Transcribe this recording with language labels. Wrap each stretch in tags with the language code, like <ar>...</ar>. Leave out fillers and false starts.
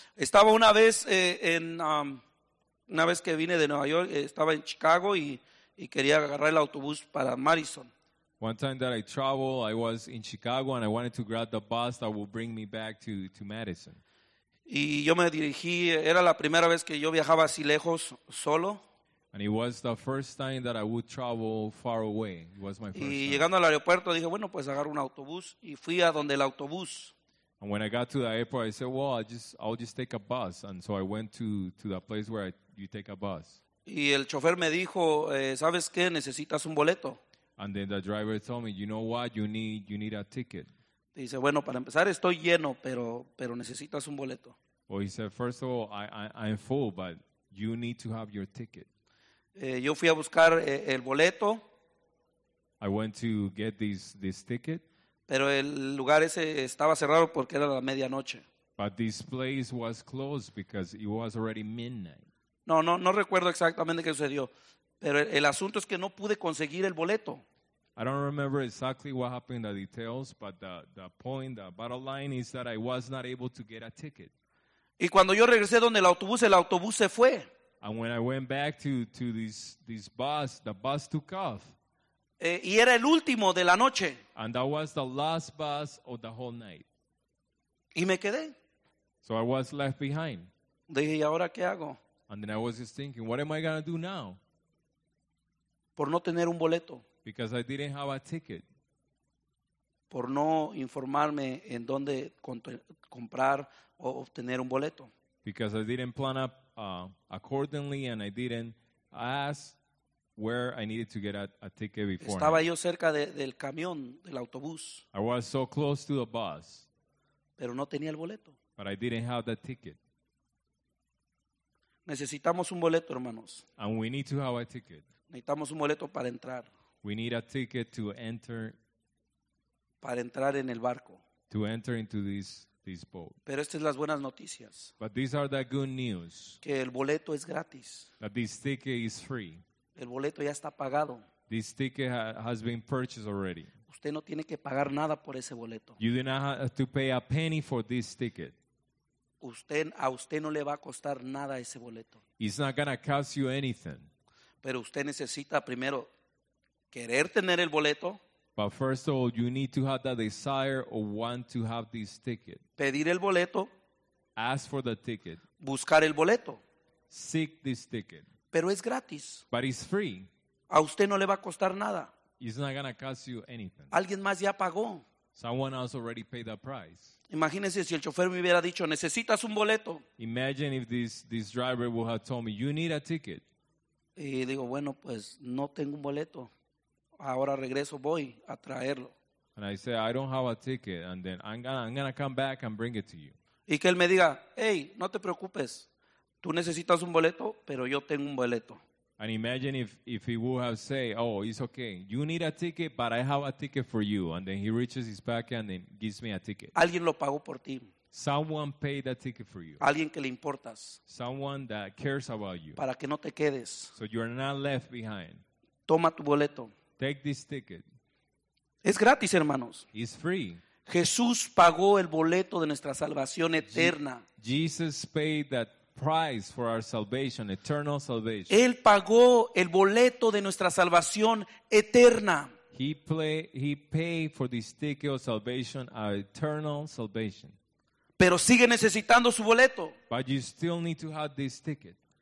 <es>Estaba una vez una vez que vine de Nueva York, estaba en Chicago y quería agarrar el autobús para Madison.</es> <en>One time that I traveled, I was in Chicago and I wanted to grab the bus that would bring me back to Madison.</en> <es>Y yo me dirigí, era la primera vez que yo viajaba así lejos, solo.</es> <en>And it was the first time that I would travel far away. It was my first time.</en> <es>Y llegando al aeropuerto dije, bueno, pues agarro un autobús y fui a donde el autobús.</es> <en>And when I got to the airport, I said, well, I'll just take a bus. And so I went to the place where you take a bus.</en> <es>Y el chofer me dijo, ¿sabes qué? Necesitas un boleto.</es> <en>And then the driver told me, you know what, you need a ticket.</en> <es>Dice, bueno, para empezar estoy lleno, pero necesitas un boleto.</es> <en>Well, he said, first of all, I'm full, but you need to have your ticket.</en> <es>Yo fui a buscar el boleto.</es> <en>I went to get this ticket.</en> <es>Pero el lugar ese estaba cerrado porque era la medianoche.</es> <en>But this place was closed because it was already midnight.</en> <es>No recuerdo exactamente qué sucedió. Pero el asunto es que no pude conseguir el boleto.</es> <en>I don't remember exactly what happened in the details, but the point, the bottom line is that I was not able to get a ticket.</en> <es>Y cuando yo regresé donde el autobús se fue.</es> <en>And when I went back to this bus, the bus took off.</en> <es>Y era el último de la noche.</es> <en>And that was the last bus of the whole night.</en> <es>Y me quedé.</es> <en>So I was left behind.</en> <es>Dije, ¿y ahora qué hago?</es> <en>And then I was just thinking, what am I going to do now?</en> <es>Por no tener un boleto.</es> <en>Because I didn't have a ticket.</en> <es>Por no informarme en dónde comprar o obtener un boleto.</es> <en>Because I didn't plan up accordingly and I didn't ask where I needed to get a ticket before.</en> <es>Estaba yo cerca del camión, del autobús.</es> <en>I was so close to the bus.</en> <es>Pero no tenía el boleto.</es> <en>But I didn't have the ticket.</en> <es>Necesitamos un boleto, hermanos.</es> <en>And we need to have a ticket.</en> <es>Necesitamos un boleto para entrar.</es> <en>We need a ticket to enter.</en> <es>Para entrar en el barco.</es> <en>To enter into this boat.</en> <es>Pero estas son las buenas noticias.</es> <en>But these are the good news.</en> <es>Que el boleto es gratis.</es> <en>That this ticket is free.</en> <es>El boleto ya está pagado.</es> <en>This ticket has been purchased already.</en> <es>Usted no tiene que pagar nada por ese boleto.</es> <en>You do not have to pay a penny for this ticket.</en> <es>A usted no le va a costar nada ese boleto.</es> <en>It's not going to cost you anything.</en> <es>Pero usted necesita primero querer tener el boleto.</es> <en>But first of all, you need to have the desire or want to have this ticket.</en> <es>Pedir el boleto.</es> <en>Ask for the ticket.</en> <es>Buscar el boleto.</es> <en>Seek this ticket.</en> <es>Pero es gratis.</es> <en>But it's free.</en> <es>A usted no le va a costar nada.</es> <en>It's not going to cost you anything.</en> <es>Alguien más ya pagó.</es> <en>Someone else already paid that price.</en> <es>Imagínese si el chofer me hubiera dicho, necesitas un boleto.</es> <en>Imagine if this driver would have told me, you need a ticket.</en> <es>Y digo, bueno, pues no tengo un boleto. Ahora regreso, voy a traerlo.</es> <en>And I say, I don't have a ticket. And then I'm gonna come back and bring it to you.</en> <es>Y que él me diga, hey, no te preocupes. Tú necesitas un boleto, pero yo tengo un boleto.</es> <en>And imagine if he would have said, oh, it's okay. You need a ticket, but I have a ticket for you. And then he reaches his pocket and then gives me a ticket.</en> <es>Alguien lo pagó por ti.</es> <en>Someone paid that ticket for you.</en> <es>Alguien que le importas.</es> <en>Someone that cares about you.</en> <es>Para que no te quedes.</es> <en>So you are not left behind.</en> <es>Toma tu boleto.</es> <en>Take this ticket.</en> <es>Es gratis, hermanos.</es> <en>It's free.</en> <es>Jesús pagó el boleto de nuestra salvación eterna.</es> <en>Jesus paid that price for our salvation, eternal salvation.</en> <es>Él pagó el boleto de nuestra salvación eterna.</es> <en>He paid for this ticket of salvation, our eternal salvation.</en> <es>Pero sigue necesitando su boleto.</es> <en>But you still need to have this ticket.</en>